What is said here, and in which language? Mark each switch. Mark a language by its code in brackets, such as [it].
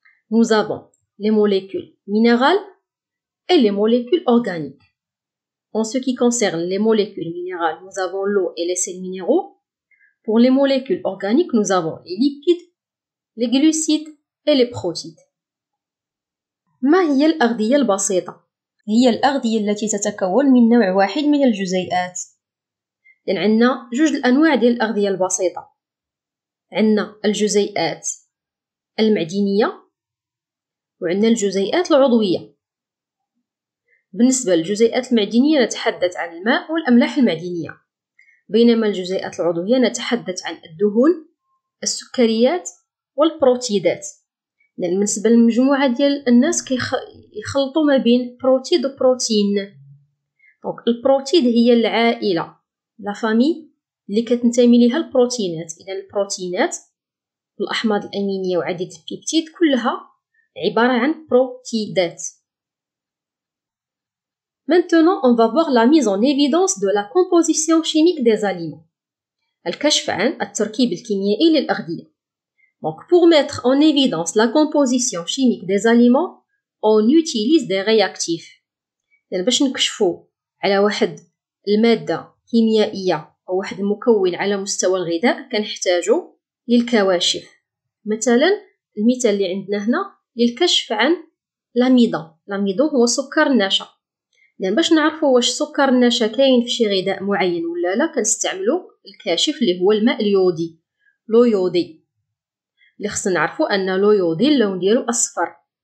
[fr] Nous avons les molécules minérales et les molécules organiques. En ce qui concerne les molécules minérales, nous avons l'eau et les sels minéraux. Pour les molécules organiques, nous avons les lipides, les glucides et les protides. [ar] ما هي الأغذية البسيطة؟ هي الأغذية التي تتكون من نوع واحد من الجزيئات. عندنا جوج الأنواع ديال الأغذية البسيطة. عندنا الجزيئات المعدنية وعندنا الجزيئات العضوية. بالنسبة للجزيئات المعدنية نتحدث عن الماء والأملاح المعدنية، بينما الجزيئات العضوية نتحدث عن الدهون، السكريات والبروتيدات. لأن بالنسبة للمجموعة ديال الناس يخلطوا ما بين بروتيد وبروتين. دونك البروتيد هي العائلة، لا فامي اللي كتنتمي ليها البروتينات. إذا البروتينات والأحماض الأمينية وعديد البيبتيد كلها عبارة عن بروتيدات. [fr] Maintenant, on va voir la mise en évidence de la composition chimique des aliments. [ar] الكشف عن التركيب الكيميائي للأغذية. [fr] Donc, pour mettre en évidence la composition chimique des aliments, on utilise des réactifs. [ar] يعني باش نكشفوا على واحد المادة كيميائية أو واحد المكون على مستوى الغذاء، كنحتاجوا للكواشف. مثلا المثال اللي عندنا هنا للكشف عن الأميدون. الأميدون هو سكر النشا. يعني باش نعرفوا واش السكر النشا كاين في شي غذاء معين ولا لا، كنستعملوا الكاشف اللي هو الماء اليودي، لويودي، اللي خصنا نعرفوا ان لويودي اللون ديالو اصفر.